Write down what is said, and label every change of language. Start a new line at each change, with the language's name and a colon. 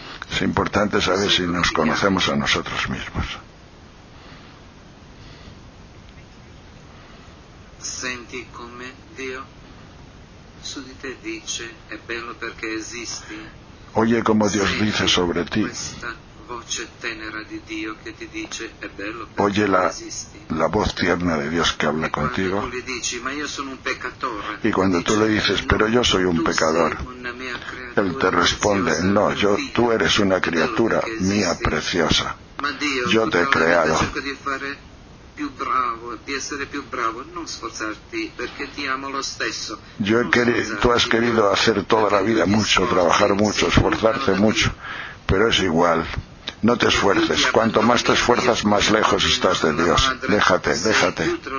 Spanish: Es importante saber si nos conocemos a nosotros mismos.
Italian: Senti come Dio su di te dice, è bello perché esisti.
Spanish: Oye como Dios dice sobre ti.
Italian: Voce tenera di Dio che ti dice, è bello perché
Spanish: oye la voz tierna de Dios que habla contigo.
Italian: Tu le dici, ma io sono un peccatore.
Spanish: Y cuando tú le dices, pero yo soy un pecador, él te responde, no, yo, tú eres una criatura mía preciosa.
Italian: Ma Dio,
Spanish: yo te he creado.
Italian: Più bravo, di essere più bravo, non sforzarti, perché ti amo lo stesso.
Spanish: Tú has querido hacer toda la vida mucho, trabajar mucho, esforzarte mucho, pero es igual. No te esfuerces. Cuanto más te esfuerzas, más lejos estás de Dios. Déjate, déjate.